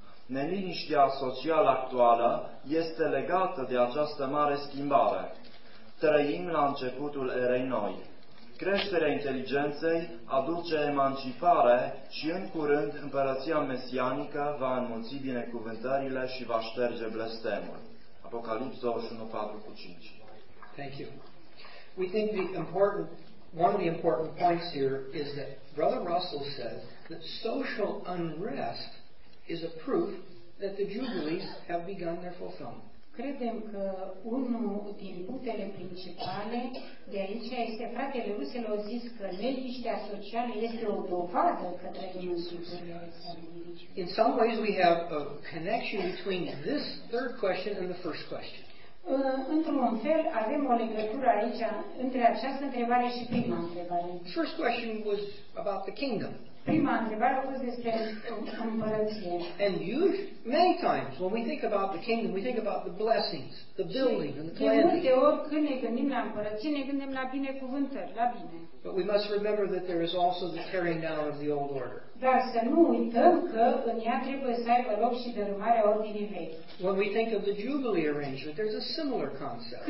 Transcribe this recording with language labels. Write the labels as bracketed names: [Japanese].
[Romanian] Neliniștea socială actuală este legată de această mare schimbare. Trăim la începutul erei noi. Creșterea inteligenței aduce emancipare și în curând împărăția mesianică va înmulți binecuvântările și va șterge blestemul. Apocalipsa 21:4-5. [English] Thank you. We think the important one of the important points here is that Brother Russell said that social unrest is a proof that the jubilees have begun their fulfillment. [Romanian] Credem că unul din punctele principale de aici este fratele Ruselu a zis că neliniștea socială este o dovadă că trăim în jubilee. [English] In some ways we have a connection between this third question and the first question. [Romanian] Într-un fel avem o legătură aici între această întrebare și prima întrebare. [English] First question was about the kingdom. [Romanian] Prima întrebare a fost despre împărăție. [English] And usually, many times when we think about the kingdom, we think about the blessings, the building and the planting. [Romanian] De multe ori când ne gândim la împărăție, ne gândim la binecuvântări, la bine. [English] But we must remember that there is also the tearing down of the old order. [Romanian] Dar să nu uităm că în ea trebuie să aibă loc și dărâmarea ordinii vechi. [English] When we think of the jubilee arrangement, there's a similar concept.